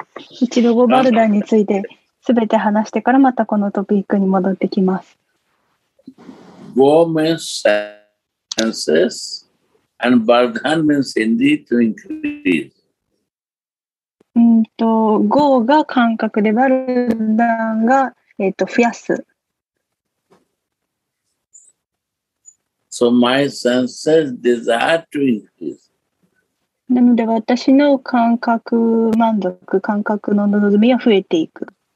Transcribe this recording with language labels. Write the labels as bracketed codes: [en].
[ja] 一度ゴバルダンについてすべて話してからまたこのトピックに戻ってきます。 [en] Go means senses and Vardhan means indeed to increase. [ja] Go が感覚でバルダンが増やす。 [en] So my senses desire to increase. [ja] なので私の感覚満足、感覚の望みは増えていく。